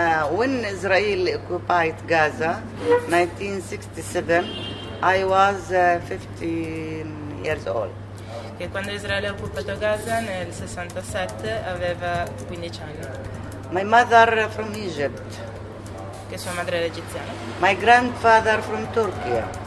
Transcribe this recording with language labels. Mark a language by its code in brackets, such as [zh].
[en] When Israel occupied Gaza, 1967, I was 15 years old. [it] Che quando Israele ha occupato Gaza nel 67 aveva 15 anni. [en] My mother from Egypt. [it] Che sua madre era egiziana. [en] My grandfather from Turkey.